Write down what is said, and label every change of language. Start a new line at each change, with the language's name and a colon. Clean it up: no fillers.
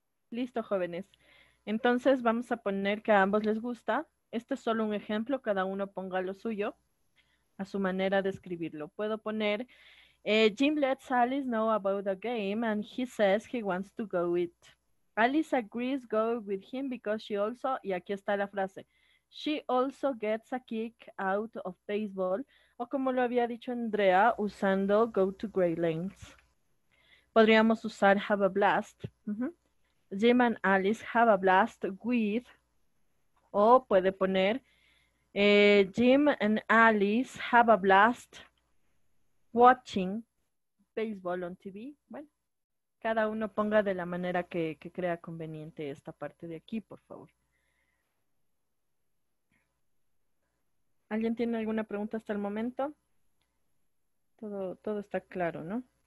Spanish: Listo, jóvenes. Entonces vamos a poner que a ambos les gusta. Este es solo un ejemplo, cada uno ponga lo suyo a su manera de escribirlo. Puedo poner,
English: Jim lets Alice know about a game and he says he wants to go it. Alice agrees go with him because she also,
Spanish: y aquí está la frase,
English: she also gets a kick out of baseball,
Spanish: o como lo había dicho Andrea, usando
English: go to great lengths.
Spanish: Podríamos usar
English: have a blast. Jim and Alice have a blast with,
Spanish: o puede poner,
English: Jim and Alice have a blast watching baseball on TV.
Spanish: Bueno, cada uno ponga de la manera que crea conveniente esta parte de aquí, por favor. ¿Alguien tiene alguna pregunta hasta el momento? Todo está claro, ¿no?